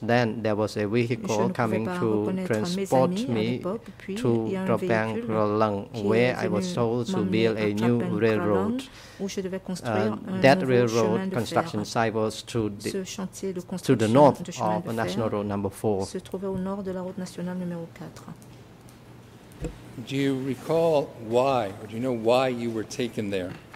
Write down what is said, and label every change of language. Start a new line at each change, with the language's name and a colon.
English: Then there was a vehicle coming to transport me to Trapang Kralong, where I was told to build a new railroad. That railroad construction site was to the north of National Road Number 4.
French: Se trouvait au nord de la route nationale numéro 4.
English: Do you recall why, or do you know why you were taken there?